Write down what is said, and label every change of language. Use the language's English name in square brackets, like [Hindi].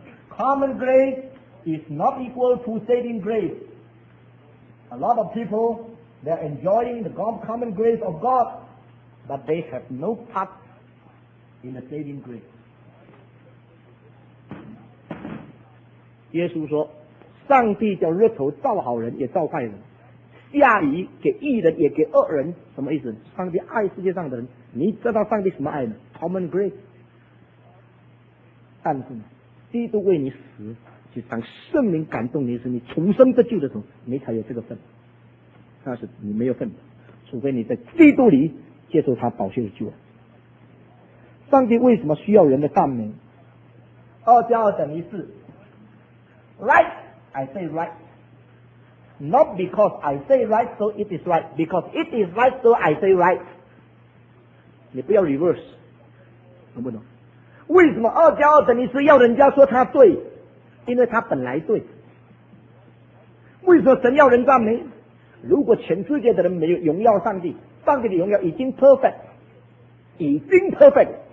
[English] common grace is not equal to saving grace. A lot of people, they are enjoying the common grace of God, but they have no part in the saving grace. [Chinese] 耶稣说，上帝叫日头造好人也造坏人，下雨给义人也给恶人，什么意思？上帝爱世界上的人，你知道上帝什么爱吗？ [English] Common grace。 [Chinese] 但是基督为你死，就当圣灵感动你时，你重生得救的时候，你才有这个份，那是你没有份的，除非你在基督里接受他宝血的救恩。上帝为什么需要人的赞美？二加二等于四， [English] RightI say right. Not because I say right, so it is right. Because it is right, so I say right. [Chinese] 你不要 reverse. 懂不懂？为什么二加二等于四要人家说他对？因为他本来对。为什么神要人赞美？如果全世界的人没有荣耀上帝，上帝的荣耀已经 perfect. 已经 perfect.